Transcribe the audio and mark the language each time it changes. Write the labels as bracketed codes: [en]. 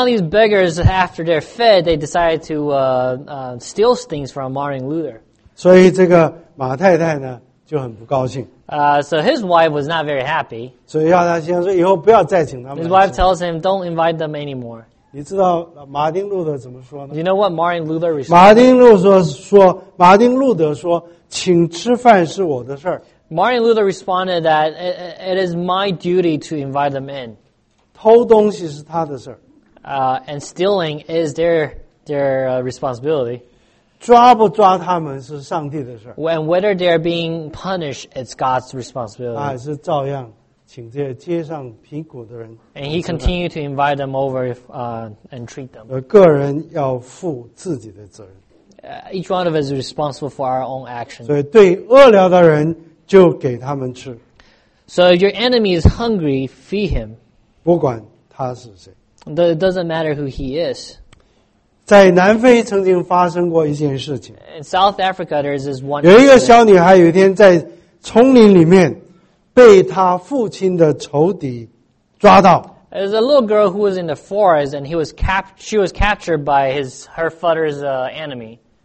[en] of these beggars, after they're fed, they decided to steal things from Martin Luther. [zh] 所以这个马太太呢就很不高兴。 [en] So his wife was not very happy. [zh] 所以要他先说以后不要再请他们。 [en] His wife tells him, "Don't invite them anymore." [zh] 你知道马丁路德怎么说呢？ [en] You know what Martin Luther responded? [zh] 马丁路德说， 请吃饭是我的事儿。 [en] Martin Luther responded that it is my duty to invite them in. [zh] 偷东西是他的事儿。 [en] And stealing is their responsibility. [zh] 抓不抓他们是上帝的事儿。 [en] And whether they are being punished, it's God's responsibility. [zh] 还是照样。请这街上贫苦的人, [en] and he continued to invite them over and treat them. [zh] 个人要负自己的责任。 [en] Each one of us is responsible for our own actions. [zh] 所以对饿了的人就给他们吃。 [en] So if your enemy is hungry, feed him. [zh] 不管他是谁。 [en] It doesn't matter who he is. [zh] 在南非曾经发生过一件事情。 [en] In South Africa, there is this one. [zh] 有一个小女孩有一天在丛林里面。被他父亲的仇敌抓到。 [en] There's a little girl who was in the forest, and she was captured by her father's enemy.